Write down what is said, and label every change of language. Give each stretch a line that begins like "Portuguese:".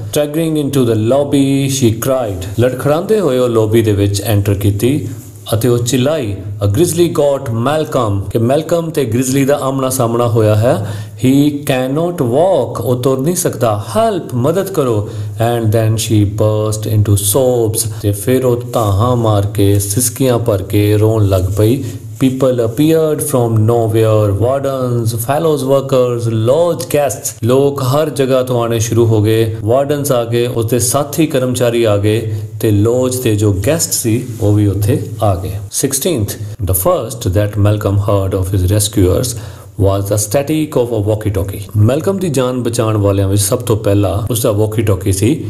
English: struggling into the lobby she cried,
Punjabi: ਲੜਖੜਾਉਂਦੇ ਹੋਏ ਉਹ lobby ਦੇ ਵਿੱਚ ਐਂਟਰ ਕੀਤੀ ਅਤੇ ਉਹ ਚਿਲਾਈ,
English: a grizzly got Malcolm,
Punjabi: ਕਿ ਮੈਲਕਮ ਤੇ ਗ੍ਰਿਜ਼ਲੀ ਦਾ ਆਮਣਾ ਸਾਹਮਣਾ ਹੋਇਆ ਹੈ।
English: he cannot walk,
Punjabi: ਉਹ ਤੁਰ ਨਹੀਂ ਸਕਦਾ,
English: help,
Punjabi: ਮਦਦ ਕਰੋ।
English: and then she burst into sobs,
Punjabi: ਅਤੇ ਫਿਰ ਉਹ ਧਾਹਾਂ ਮਾਰ ਕੇ ਸਿਸਕੀਆਂ ਭਰ ਕੇ ਰੋਣ ਲੱਗ ਪਈ।
English: People appeared from nowhere, wardens, fellows workers, lodge guests,
Punjabi: ਲੋਕ ਹਰ ਜਗ੍ਹਾ ਤੋਂ ਆਉਣੇ ਸ਼ੁਰੂ ਹੋ ਗਏ। ਵਾਰਡਨਸ ਆ ਗਏ, ਉਸਦੇ ਸਾਥੀ ਕਰਮਚਾਰੀ ਆ ਗਏ, ਤੇ ਲੋਜ ਦੇ ਜੋ ਗੈਸਟ ਸੀ ਉਹ ਵੀ ਉੱਥੇ ਆ ਗਏ।
English: 16th the first that Malcolm heard of his rescuers was the static of a walkie talkie,
Punjabi: Malcolm ਦੀ ਜਾਨ ਬਚਾਉਣ ਵਾਲਿਆਂ ਵਿੱਚ ਸਭ ਤੋਂ ਪਹਿਲਾਂ ਉਸਦਾ ਵਾਕੀ ਟੋਕੀ ਸੀ।